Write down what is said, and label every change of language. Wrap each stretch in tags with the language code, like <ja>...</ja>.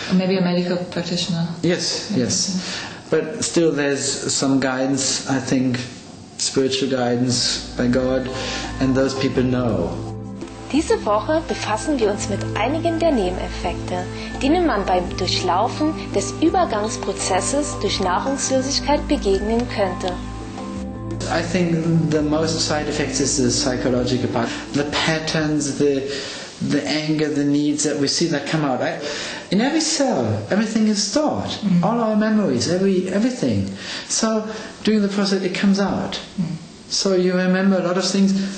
<en>Maybe a medical practitioner. Yes. But still there's some guidance, I think, spiritual guidance by God, and those people know.</en> <de>Diese Woche befassen wir uns mit einigen der Nebeneffekte, denen man beim Durchlaufen des Übergangsprozesses durch Nahrungslosigkeit begegnen könnte.</de> <en>I think the most side effects is the psychological part. The patterns, the anger, the needs that we see that come out. In every cell, everything is stored. Mm-hmm. All our memories, everything. So during the process, it comes out. Mm-hmm. So you remember a lot of things.</en>